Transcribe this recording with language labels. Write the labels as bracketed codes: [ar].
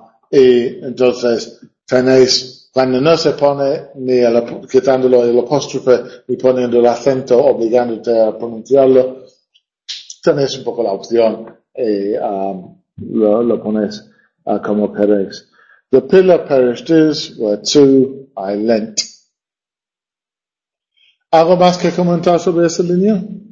[es] Y entonces tenéis, cuando no se pone ni el, quitándolo el apóstrofe y poniendo el acento, obligándote a pronunciarlo, tenéis un poco la opción y lo ponéis como queréis. [en] The pillar perished is where two I lent. [es] ¿Algo más que comentar sobre esa línea?